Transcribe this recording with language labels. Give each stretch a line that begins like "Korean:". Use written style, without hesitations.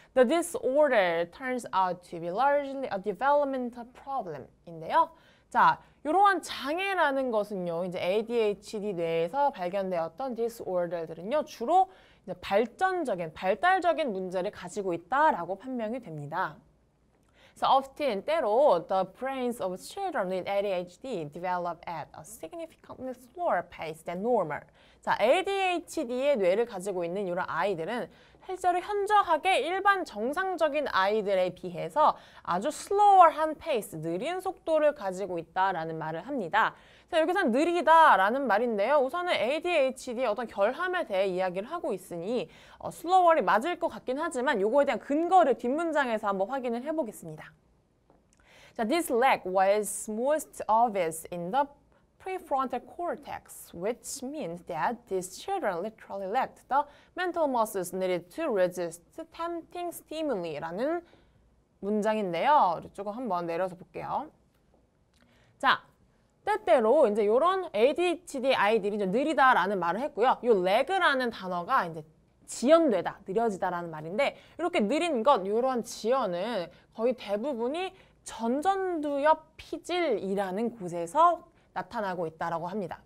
English: The disorder turns out to be largely a developmental problem
Korean: 인데요. 자, 이러한 장애라는 것은요, 이제 ADHD 뇌에서 발견되었던 disorder들은요, 주로 이제 발전적인, 발달적인 문제를 가지고 있다라고 판명이 됩니다.
English: So often,
Korean: 때로
English: the brains of children with ADHD develop at a significantly slower pace than normal.
Korean: 자, ADHD의 뇌를 가지고 있는 이런 아이들은 실제로 현저하게 일반 정상적인 아이들에 비해서 아주 slower한 pace, 느린 속도를 가지고 있다라는 말을 합니다. 자, 여기서는 느리다라는 말인데요. 우선은 ADHD의 어떤 결함에 대해 이야기를 하고 있으니 slower이 맞을 것 같긴 하지만 이거에 대한 근거를 뒷문장에서 한번 확인을 해보겠습니다.
English: 자, this lag was most obvious in the prefrontal cortex, which means that these children literally lacked the mental muscles needed to resist tempting stimuli
Korean: 라는 문장인데요. 조금 한번 내려서 볼게요. 자, 때때로 이제 이런 ADHD 아이들이 좀 느리다라는 말을 했고요. 이 lag라는 단어가 이제 지연되다, 느려지다라는 말인데 이렇게 느린 것, 이런 지연은 거의 대부분이 전전두엽 피질이라는 곳에서 나타나고 있다라고 합니다.